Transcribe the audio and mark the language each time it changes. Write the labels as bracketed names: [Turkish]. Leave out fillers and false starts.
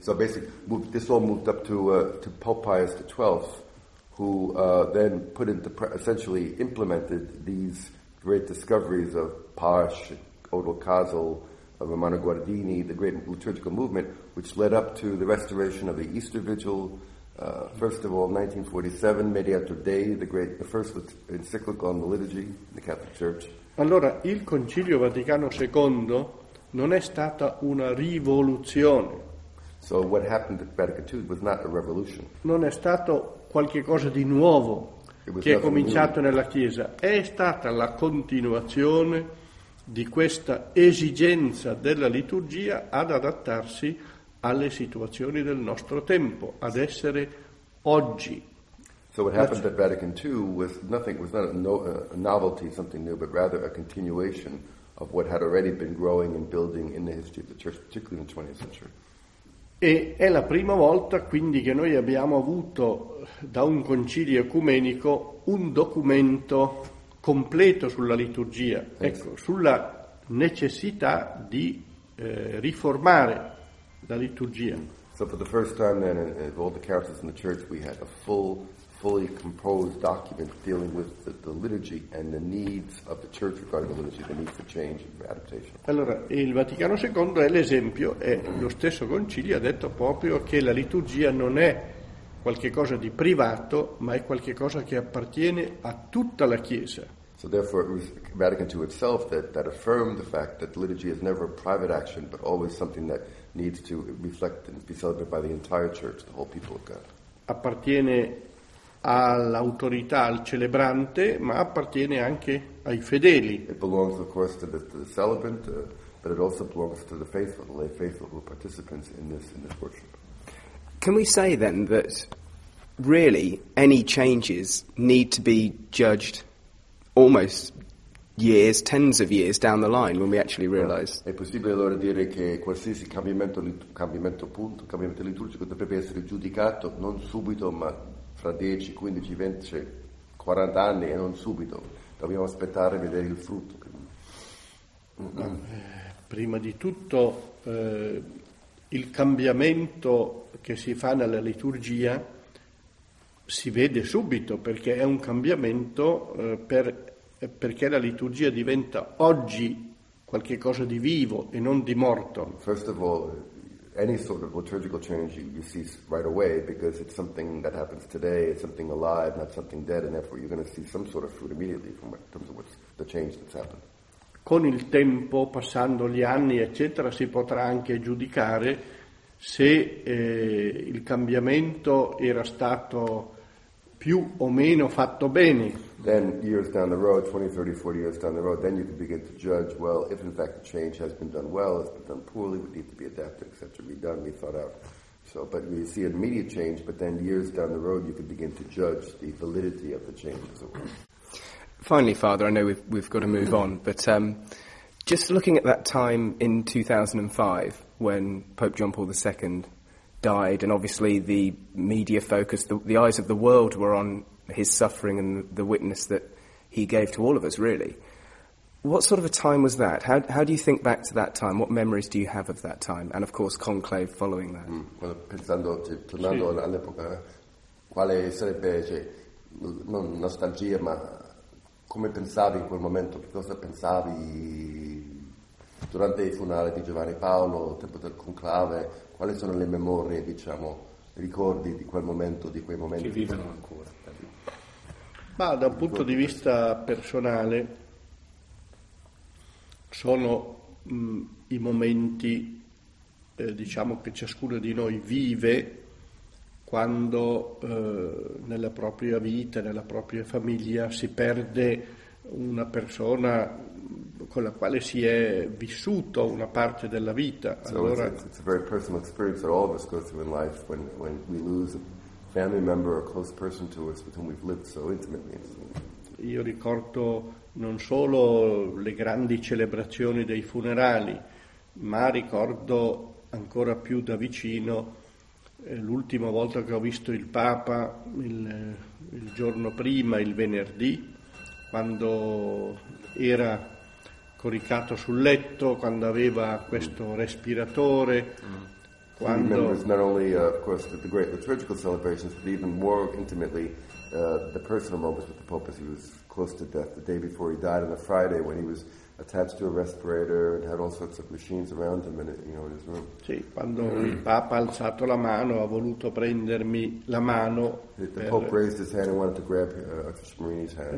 [English] So basically this all moved up to Pope Pius XII, who then put into essentially implemented these great discoveries of Parsh, Odo Casel, Romano Guardini, the great liturgical movement, which led up to the restoration of the Easter Vigil. First of all, 1947, Mediator Dei, the first encyclical on the liturgy in the Catholic Church. [Italian] Allora, il Concilio Vaticano II non è stata una rivoluzione. [English] So what happened at Vatican II was not a revolution. [Italian] Non è stato qualche cosa di nuovo che è cominciato nella Chiesa. È stata la continuazione di questa esigenza della liturgia ad adattarsi alle situazioni del nostro tempo, ad essere oggi. [English] So what happened at Vatican II was nothing, was not a novelty, something new, but rather a continuation of what had already been growing and building in the history of the Church, particularly in the 20th century. [Italian] E è la prima volta quindi che noi abbiamo avuto da un concilio ecumenico un documento completo sulla liturgia, ecco, sulla necessità di riformare la liturgia. [English] So for the first time then of all the councils in the Church we had a fully composed document dealing with the liturgy and the needs of the church regarding the liturgy, the need for change and adaptation. [Italian] Allora, il Vaticano II è l'esempio, e lo stesso concilio ha detto proprio che la liturgia non è qualche cosa di privato, ma è qualche cosa che appartiene a tutta la Chiesa. [English] So therefore it was Vatican II itself that affirmed the fact that liturgy is never a private action, but always something that needs to reflect and be celebrated by the entire church, the whole people of God. [Italian] Appartiene all'autorità, al celebrante, ma appartiene anche ai fedeli. [English] It belongs, of course, to the celebrant, but it also belongs to the faithful, the lay faithful who are participants in this worship. Can we say then that really any changes need to be judged almost years, tens of years down the line when we actually realize? [Italian] È possibile allora dire che qualsiasi cambiamento liturgico dovrebbe essere giudicato non subito, ma fra 10, 15, 20, 40 anni e non subito. Dobbiamo aspettare e vedere il frutto. Prima di tutto, il cambiamento che si fa nella liturgia si vede subito, perché è un cambiamento perché la liturgia diventa oggi qualche cosa di vivo e non di morto. [English] First of all, any sort of liturgical change you see right away, because it's something that happens today, it's something alive, not something dead, and therefore you're going to see some sort of fruit immediately from the change that's happened. [Italian] Con il tempo, passando gli anni, eccetera, si potrà anche giudicare se il cambiamento era stato più o meno fatto bene. [English] Then years down the road, 20, 30, 40 years down the road, then you can begin to judge, well, if in fact the change has been done well, has been done poorly, would need to be adapted, etc., redone, rethought out. So, but you see an immediate change, but then years down the road, you can begin to judge the validity of the change as well. Finally, Father, I know we've got to move on, but just looking at that time in 2005 when Pope John Paul II died, and obviously the media focus, the eyes of the world were on his suffering and the witness that he gave to all of us, really. What sort of a time was that? How do you think back to that time? What memories do you have of that time? And, of course, conclave following that. [Italian] Well, pensando, tornando all'epoca, quale sarebbe, non nostalgia, ma come pensavi in quel momento? Che cosa pensavi durante il funerale di Giovanni Paolo, il tempo del conclave? Quali sono le memorie, diciamo, ricordi di quel momento, di quei momenti? Che vivono ancora. Ma da un punto di vista personale sono i momenti, diciamo, che ciascuno di noi vive quando nella propria vita, nella propria famiglia si perde una persona con la quale si è vissuto una parte della vita. [English] Allora, so it's a very personal experience that all of us go through in life when we lose a family member or a close person to us with whom we've lived so intimately. [Italian] Io ricordo non solo le grandi celebrazioni dei funerali, ma ricordo ancora più da vicino l'ultima volta che ho visto il Papa, il giorno prima, il venerdì, quando era coricato sul letto, quando aveva questo respiratore. [English] Quando he remembers not only, of course, the great liturgical celebrations, but even more intimately, the personal moments with the Pope as he was close to death the day before he died on a Friday, when he was attached to a respirator and had all sorts of machines around him in his room. [Italian] Sì, quando il Papa ha alzato la mano, ha voluto prendermi la mano. [English] The Pope raised his hand and wanted to grab Archbishop Marini's hand.